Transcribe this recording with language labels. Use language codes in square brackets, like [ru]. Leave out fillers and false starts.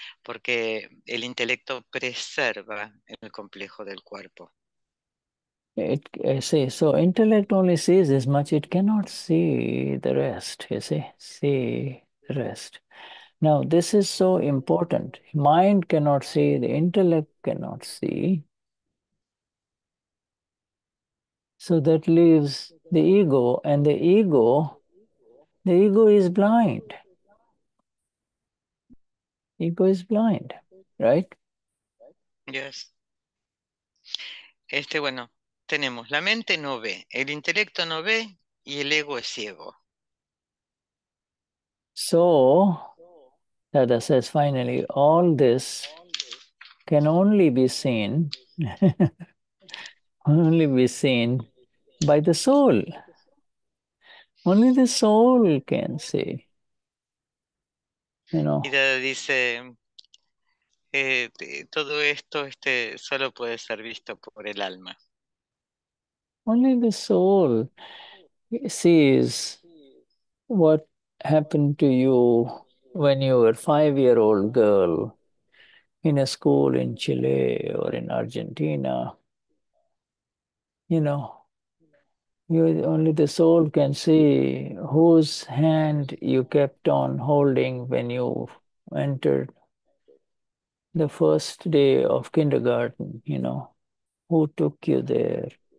[es] Porque el intelecto preserva el complejo del cuerpo. [en] So intellect only sees as much, it cannot see the rest, you see, rest. Now, this is so important. Mind cannot see, the intellect cannot see. So that leaves the ego, and the ego is blind. Ego is blind, right? Yes. [es] Bueno. Tenemos, la mente no ve, el intelecto no ve y el ego es ciego. [en] So, Dada says finally, all this can only be seen, only be seen by the soul. Only the soul can see. You know. [es] Y Dada dice, todo esto solo puede ser visto por el alma. [en] Only the soul sees what happened to you when you were a 5-year-old girl in a school in Chile or in Argentina. You know, only the soul can see whose hand you kept on holding when you entered the first day of kindergarten, you know, who took you there.